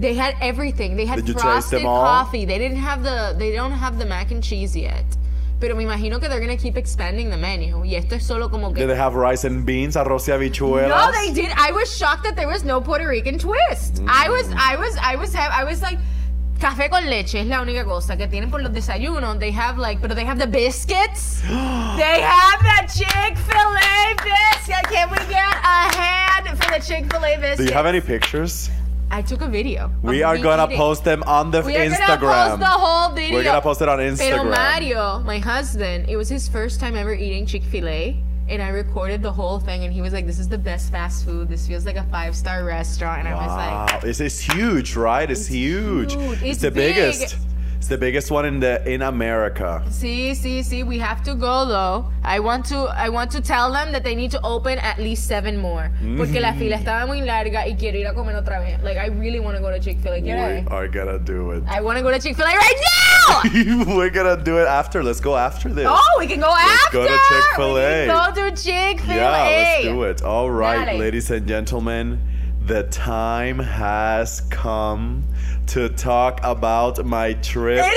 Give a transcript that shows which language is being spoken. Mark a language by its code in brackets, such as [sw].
[en] They had everything. They had frosted coffee. They didn't have they don't have the mac and cheese yet. [es] Pero me imagino que [en] they're gonna keep expanding the menu. [es] Y esto es solo como que... [en] Did they have rice and beans? [es] Arroz y habichuelas? [en] No, they did. I was shocked that there was no Puerto Rican twist. Mm. I was like... [es] Café con leche es la única cosa que tienen por los desayunos. [en] They have like, pero they have the biscuits. They have the Chick-fil-A biscuits. Can we get a hand for the Chick-fil-A biscuits? Do you have any pictures? I took a video. We are going to post them on the Instagram. We're going to post the whole video. We're going to post it on Instagram. Pero Mario, my husband, it was his first time ever eating Chick-fil-A. And I recorded the whole thing, and he was like, this is the best fast food. This feels like a 5-star restaurant. And wow. I was like, wow, this is huge, right? It's huge. It's the big. Biggest. It's the biggest one in America. See, we have to go though. I want to tell them that they need to open at least 7 more. Mm-hmm. [es] Porque la fila estaba muy larga y quiero ir a comer otra vez. [en] Like, I really want to go to Chick-fil-A. I gotta do it. I want to go to Chick-fil-A right now. We're gonna do it after. Let's go after this. Oh, we can go let's after. Go to Chick-fil-A. We can go to Chick-fil-A. Yeah, let's do it. All right, Dale. Ladies and gentlemen, the time has come to talk about my trip.